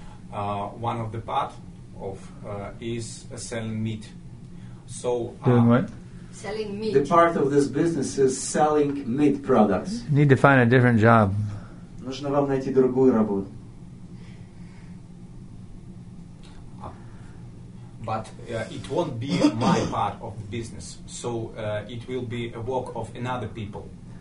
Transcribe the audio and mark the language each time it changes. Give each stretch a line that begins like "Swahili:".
English: One of the part of is selling meat. So doing what? Selling meat. The part of this business is selling meat products. You need to find a different job.
Russian: Нужно вам найти другую работу.
English: But it won't be my part of the business. So it will be a work of another people.